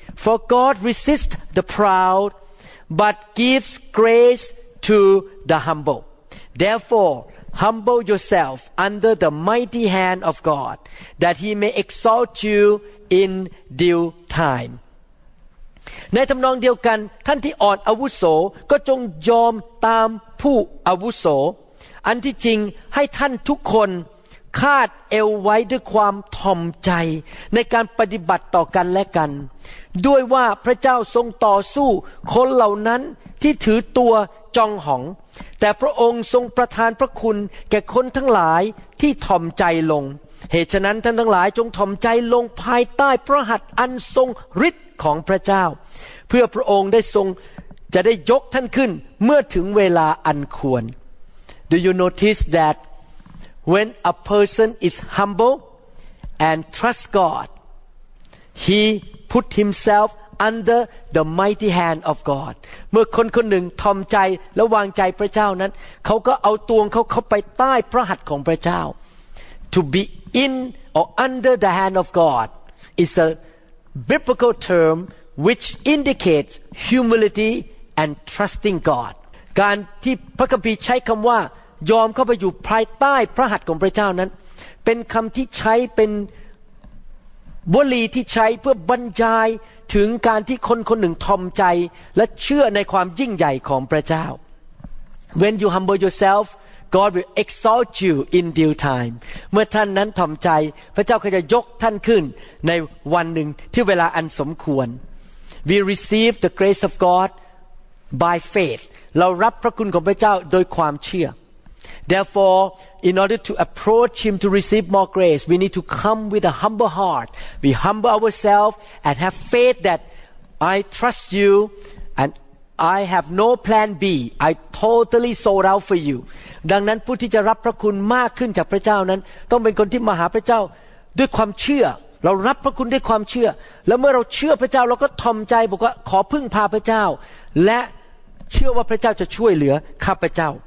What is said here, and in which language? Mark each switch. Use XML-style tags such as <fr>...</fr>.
<en>For God resists the proud but gives grace to the humble. Therefore, humble yourself under the mighty hand of God that he may exalt you in due time.</en> <th>ในทำนองเดียวกันท่านที่อ่อนอาวุโสก็จงยอมตามผู้อาวุโสอันที่จริงให้ท่านทุกคนคาดเอวไว้ด้วยความถ่อมใจในการปฏิบัติต่อกันและกัน ด้วยว่าพระเจ้าทรงต่อสู้คนเหล่านั้นที่ถือตัวจองหองแต่พระองค์ทรงประทานพระคุณแก่คนทั้งหลายที่ถ่อมใจลงเหตุฉะนั้นท่านทั้งหลายจงถ่อมใจลงภายใต้พระหัตถ์อันทรงฤทธิ์ของพระเจ้าเพื่อพระองค์ได้ทรงจะได้ยกท่านขึ้นเมื่อถึงเวลาอันควร</th> <en>Do you notice that when a person is humble and trust God he put himself under the mighty hand of God</en> <th>เมื่อคนคนหนึ่งถ่อมใจและวางใจพระเจ้านั้นเขาก็เอาตัวเขาเข้าไปใต้พระหัตถ์ของพระเจ้า</th> <en>To be in or under the hand of God is a biblical term which indicates humility and trusting God.</en> <th>การที่พระคัมภีร์ใช้คำว่ายอมเข้าไปอยู่ภายใต้พระหัตถ์ของพระเจ้านั้นเป็นคำที่ใช้เป็นวลีที่ใช้เพื่อบรรยายถึงการที่คนคนหนึ่งทอมใจและเชื่อในความยิ่งใหญ่ของพระเจ้า</th> <en>When you humble yourselfGod will exalt you in due time.</en> <th>เมื่อท่านนั้นถ่อมใจพระเจ้าก็จะยกท่านขึ้นในวันหนึ่งที่เวลาอันสมควร</th> <en>We receive the grace of God by faith.</en> <th>เรารับพระคุณของพระเจ้าโดยความเชื่อ</th> <en>Therefore, in order to approach him to receive more grace, we need to come with a humble heart. We humble ourselves and have faith that I trust you and I have no plan B. I totally sold out for you.</en> <th>ดังนั้นผู้ที่จะรับพระคุณมากขึ้นจากพระเจ้านั้นต้องเป็นคนที่มาหาพระเจ้าด้วยความเชื่อเรารับพระคุณด้วยความเชื่อแล้วเมื่อเราเชื่อพระเจ้าเราก็ทอมใจบอกว่าขอพึ่งพาพระเจ้าและเชื่อว่าพระเจ้าจะช่วยเหลือข้าพระเจ้า</th>